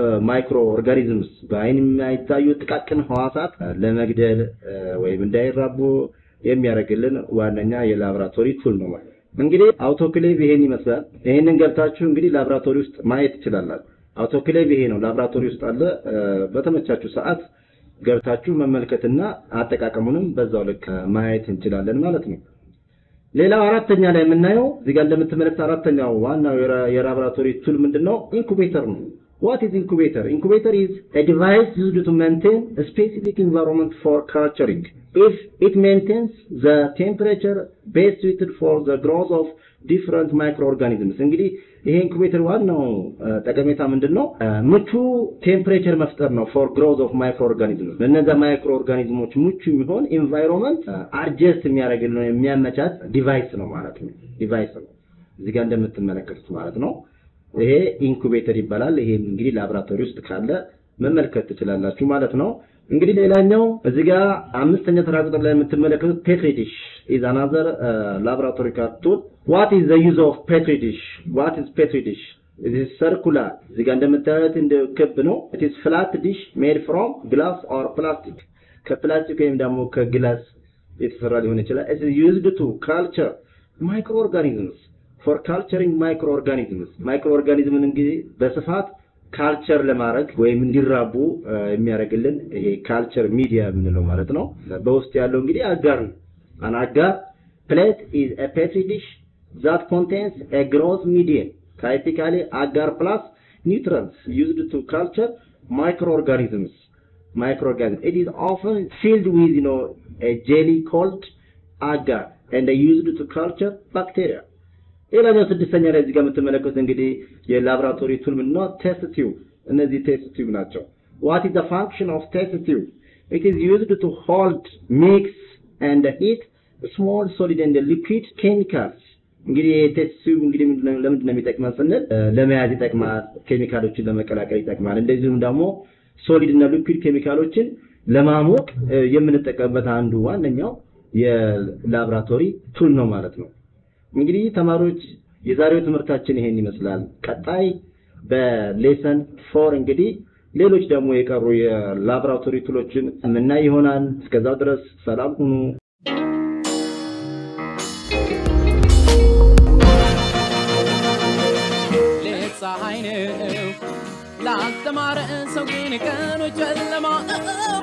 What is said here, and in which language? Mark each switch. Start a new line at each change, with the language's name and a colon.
Amharic: ማይክሮ ኦርጋኒዝምስ በአይን የማይታዩ ጥቃቅን ህዋሳት ለመግደል ወይም እንዳይራቡ የሚያደርግልን ዋነኛ የላብራቶሪ ቱል ነው ማለት ነው። እንግዲህ አውቶክሌቭ ይሄን ይመስላል። ይሄንን ገብታችሁ እንግዲህ ላብራቶሪ ውስጥ ማየት ትችላላችሁ። አውቶክሌቭ ይሄ ነው፣ ላብራቶሪ ውስጥ አለ። በተመቻቹ ሰዓት ገብታችሁ መመልከትና አጠቃቀሙንም በዛው ልክ ማየት እንችላለን ማለት ነው። ሌላው አራተኛ ላይ የምናየው እዚህ ጋር እንደምትመለከቱት አራተኛው ዋናው የላብራቶሪ ቱል ምንድነው? ኢንኩቤተር ነው።
English: what is incubator? incubator is a device used to maintain a specific environment for culturing. if it maintains the temperature best suited for the growth of different microorganisms.
Amharic: እንግዲህ ይሄ incubator ዋናው ጠቀሜታ ምንድነው? ምቹ
English: temperature
Amharic: መፍጠር ነው
English: for growth of microorganisms.
Amharic: እነዛ microorganisms ምቹ የሚሆን environment adjust የሚያደርግ ነው የሚያመቻት device ነው ማለት ነው። device ነው እዚህ ጋር እንደምትመለከቱት ማለት ነው። ይሄ ኢንኩቤተር ይባላል። ይሄ እንግዲህ ላብራቶሪ ውስጥ ካለ መመልከት ትችላላችሁ ማለት ነው። እንግዲህ ሌላኛው እዚህ ጋር አምስተኛ ተራ ቁጥር ላይ የምትመለከቱት
English: petri dish is another laboratory tool. what is the use of petri dish? what is petri dish? it is circular.
Amharic: እዚህ ጋር እንደምታዩት እንደ ክብ ነው።
English: it is flat dish made from glass or plastic.
Amharic: ከፕላስቲክ ወይም ደግሞ ከግላስ የተሰራ ሊሆን ይችላል።
English: it is used to culture microorganisms. for culturing microorganisms.
Amharic: microorganisms እንግዲህ በስፋት ካልቸር ለማድረግ ወይም እንዲራቡ የሚያደርግልን ይሄ ካልቸር ሚዲያ ምንለው ማለት ነው። በውስጥ ያለው እንግዲህ አጋር አናጋ
English: plate is a petri dish that contains a growth medium. typically agar plus nutrients used to culture microorganisms. microorganisms it is often filled with you know a jelly called agar and used to culture bacteria.
Amharic: ሌላኛው ስድስተኛ ላይ እዚህ ጋር የምትመለከቱት እንግዲህ የላብራቶሪ ቱል ምንድነው?
English: test tube.
Amharic: እነዚህ test tube ናቸው።
English: what is the function of test tube? it is used to hold, mix and heat small solid and liquid chemicals.
Amharic: እንግዲህ test tube እንግዲህ ምንድነው ለምንድነው የሚጠቅመው ስንል ለመያዝ ይጠቅማል፣ ኬሚካሎችን ለመቀላቀል ይጠቅማል። እንደዚሁም ደግሞ solid እና liquid ኬሚካሎችን ለማሞቅ የምንጠቀምበት አንዱ ዋነኛው የላብራቶሪ ቱል ነው ማለት ነው። እንግዲህ ተማሪዎች የዛሬው ትምህርታችን ይሄን ይመስላል። ቀጣይ በሌሰን 4 እንግዲህ ሌሎች ደግሞ የቀሩ የላብራቶሪ ቱሎችን እና ይሆናል። እስከዛው ድረስ ሰላም ሁኑ። ለጻይነው ላስተማረን ሰው ግን ከነ ጀለማ